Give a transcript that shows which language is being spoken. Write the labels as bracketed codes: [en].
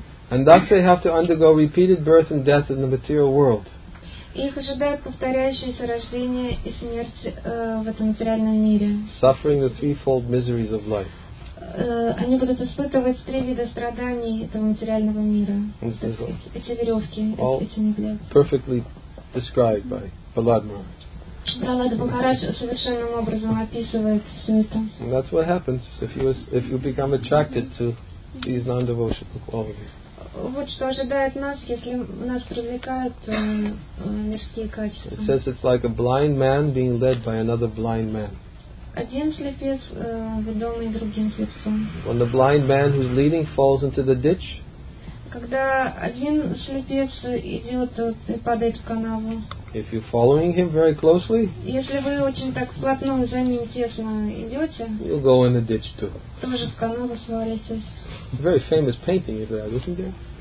[en] And thus they have to undergo repeated birth and death in the material world. [ru] Их ожидает повторяющееся рождение и смерть в этом материальном мире. [en] Suffering the threefold miseries of life. [ru] Они будут испытывать три вида страданий этого материального мира. Эти веревки, эти неглядки. [en] Perfectly described by Prahlad Maharaj. [ru] Prahlad Maharaj совершенным образом описывает все это. [en] And that's what happens if you become attracted to these non-devotional qualities. [ru] Вот что ожидает нас, если нас привлекают мирские качества. [en] It says it's like a blind man being led by another blind man. [ru] Один слепец ведомый другим слепцом. [en] When the blind man who's leading falls into the ditch. [ru] Когда один слепец идет и падает в канаву. [en] If you're following him very closely. [ru] Если вы очень так вплотную за ним тесно идете. [en] You'll go in the ditch too. [ru] Тоже в канаву свалитесь. [en] Very famous painting you have, isn't there?